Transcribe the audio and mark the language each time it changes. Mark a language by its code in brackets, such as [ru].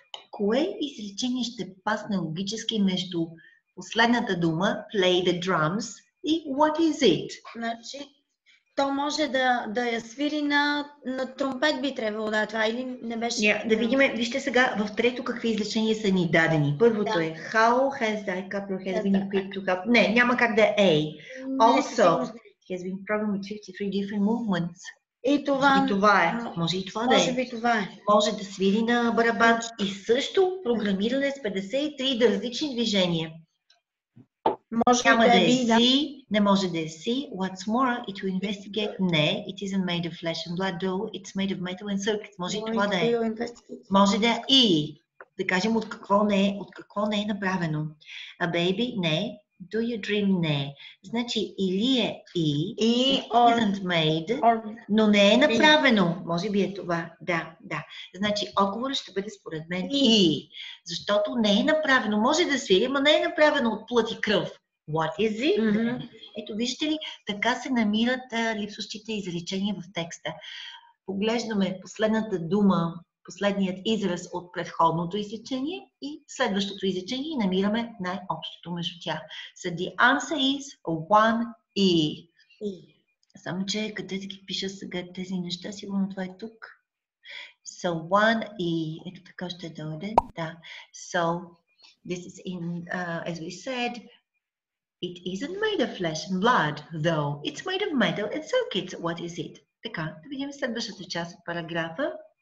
[bg] Кое изречение ще пасне логически между последната дума, [en] play the drums, [bg] и [en] what is it? [bg] Значи, то може да я свири на тромпет би трябвало да това, или не беше... Yeah, да видим, вижте сега в трето какви изречения са ни дадени. Първото е [en] how has the iCub your head been equipped to help? [bg] Не, няма как да е A. [en] Also, he has been programmed with 53 different movements. [bg] И това, е. Може и това може да е. Може би това е. Може да свири на барабан и също програмиране с 53 различни движения. Може няма да, да е C, не може да е C. [en] What's more, it will investigate. [bg] Не, [en] it isn't made of flesh and blood, though. It's made of metal and circuits. [bg] Може и това да е. Може да е E. Да кажем от какво не е, от какво не е направено. [en] A baby? Не. Do you dream? Не. [bg] Значи или е E, [en] isn't made, [bg] но не е направено. Може би е това. Да, да. Значи отговорът ще бъде според мен E. Защото не е направено. Може да свири, но не е направено от плът и кръв. [en] What is it? Mm-hmm. [bg] Ето вижте ли, така се намират липсващите изречения в текста. Поглеждаме последната дума, последният израз от предходното изречение и следващото изречение и намираме най-общото между тях. [en] So the answer is one E. [bg] Само че къде ги пиша сега тези неща, сигурно това е тук. [en] So one E. [bg] Ето така ще дойде. Да. [en] So this is in, as we said, It isn't made of flesh and blood, though. It's made of metal and circuits. What is it? [bg] Така, да видим следващата част от параграфа.